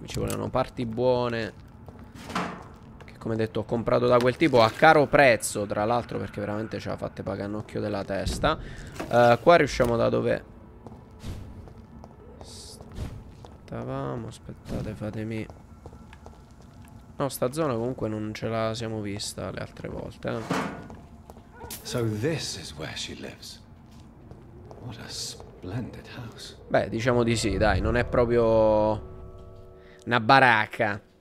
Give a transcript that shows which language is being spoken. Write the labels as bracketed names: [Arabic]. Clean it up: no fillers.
[Italian] Ci volevano parti buone, che come detto ho comprato da quel tipo a caro prezzo, tra l'altro, perché veramente ce la fatte pagare un occhio della testa. Qua riusciamo da dove stavamo. Aspettate, fatemi. No, sta zona comunque non ce la siamo vista le altre volte. [English] So this is where she lives. What a splendid house. [Italian] Beh, diciamo di sì, dai, non è proprio una baracca.